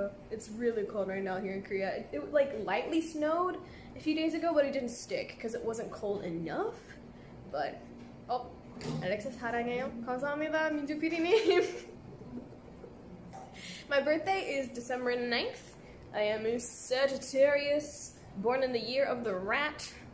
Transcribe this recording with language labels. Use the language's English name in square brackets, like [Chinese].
[English] It's really cold right now here in Korea. It like lightly snowed a few days ago, but it didn't stick because it wasn't cold enough. But, oh, Alexa [Korean] 사랑해요. 감사합니다, 민주 PD님. [English] My birthday is December 9th. I am a Sagittarius, born in the year of the rat.